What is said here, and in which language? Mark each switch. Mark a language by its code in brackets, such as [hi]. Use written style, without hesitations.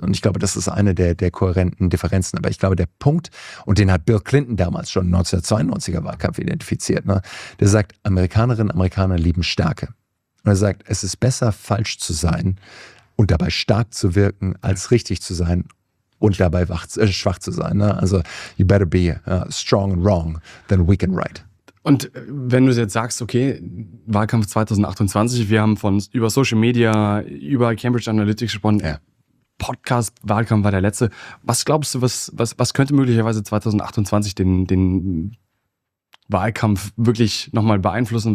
[de] Und ich glaube, das ist eine der kohärenten Differenzen. Aber ich glaube, der Punkt, und den hat Bill Clinton damals schon im 1992er Wahlkampf identifiziert, ne? Der sagt, Amerikanerinnen und Amerikaner lieben Stärke. Und er sagt, es ist besser, falsch zu sein und dabei stark zu wirken, als richtig zu sein und dabei schwach zu sein. Ne? [en] Also, you better be strong and wrong than weak and right. [de] Und wenn du jetzt sagst, okay, Wahlkampf 2028, wir haben über Social Media, über Cambridge Analytics gesprochen, Podcast-Wahlkampf war der letzte. Was glaubst du, was könnte möglicherweise 2028 den Wahlkampf wirklich nochmal beeinflussen?